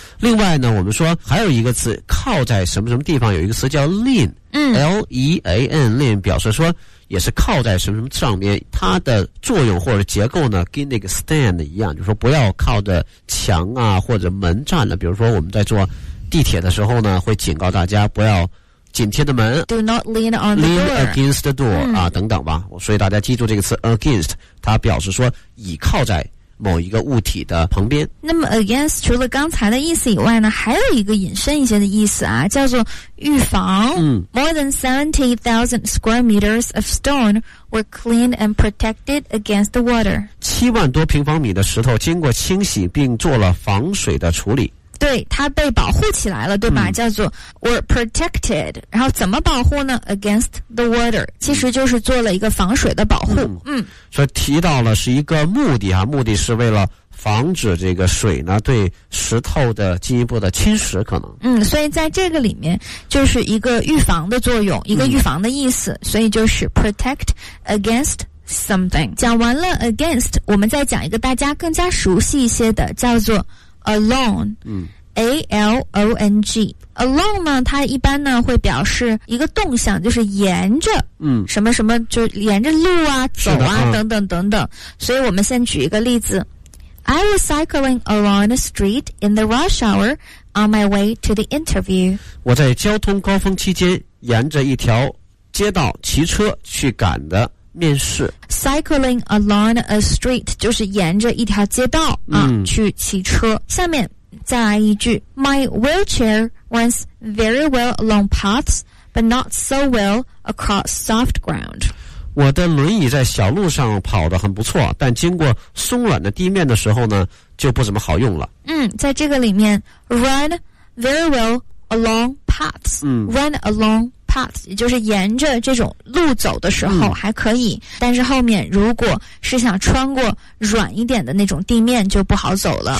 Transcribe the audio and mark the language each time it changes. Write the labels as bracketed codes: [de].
[zh] 另外呢，我们说还有一个词靠在什么什么地方，有一个词叫 lean、L-E-A-N lean， 表示说也是靠在什么什么上面，它的作用或者结构呢跟那个 stand 一样，就是说不要靠着墙啊或者门站的，比如说我们在坐地铁的时候呢会警告大家不要紧贴的门， [en] Do not lean on the door. Lean against the door、 [zh] 啊等等吧。所以大家记住这个词 against， 它表示说倚靠在某一个物体的旁边。那么 against 除了刚才的意思以外呢，还有一个引申一些的意思啊，叫做预防。 [en] More than 70,000 square meters of stone were cleaned and protected against the water. [zh] 7万多平方米的石头经过清洗并做了防水的处理。对，它被保护起来了，对吧？叫做 were protected， 然后怎么保护呢？ [en] against the water， [zh] 其实就是做了一个防水的保护。所以提到了是一个目的啊，目的是为了防止这个水呢对石头的进一步的侵蚀可能。所以在这个里面就是一个预防的作用，一个预防的意思，所以就是 [en] protect against something。 [zh] 讲完了 against， 我们再讲一个大家更加熟悉一些的，叫做alone， A-L-O-N-G。 alone 呢它一般呢会表示一个动向，就是沿着什么什么，就沿着路啊走啊等等等等。所以我们先举一个例子， [en] I was cycling along the street in the rush hour on my way to the interview。 [zh] 我在交通高峰期间沿着一条街道骑车去赶的面试。 [en] Cycling along a street [zh] 就是沿着一条街道啊去骑车。下面再来一句， [en] My wheelchair runs very well along paths but not so well across soft ground。 [zh] 我的轮椅在小路上跑得很不错，但经过松软的地面的时候呢就不怎么好用了。在这个里面 [en] run very well along paths， [zh] run along也就是沿着这种路走的时候还可以，但是后面如果是想穿过软一点的那种地面就不好走了。